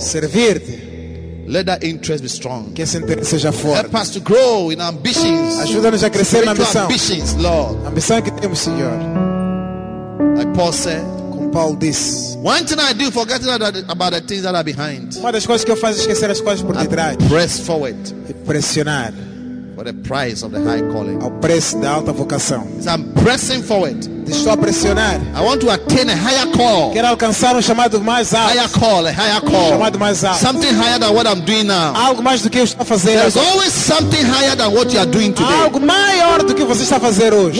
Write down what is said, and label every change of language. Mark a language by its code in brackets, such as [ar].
[pt] Servir-te. [en] Let that interest be strong. [pt] Que esse interesse seja forte. [en] Help us to grow in ambitions. [pt] Ajuda-nos a crescer na ambição. [en] Ambitions, Lord. [pt] Ambição que temos, Senhor. [en] Like Paul said. Paul, this one thing I do, forgetting about the things that are behind. [pt] Uma das coisas que eu faço é esquecer as coisas por detrás. [en] Press forward, [pt] pressionar [en] for the price of the high calling. [pt] Ao preço da alta vocação. [en] I'm pressing forward. [pt] Estou a pressionar. [en] I want to attain a higher call. [pt] Quero alcançar um chamado mais alto. [en] Higher call, a higher call. [pt] Chamado mais alto. [en] Something higher than what I'm doing now. [pt] Algo mais do que eu estou a fazer. [en] There's always something higher than what you are doing today. [pt] Algo maior do que você está a fazer hoje.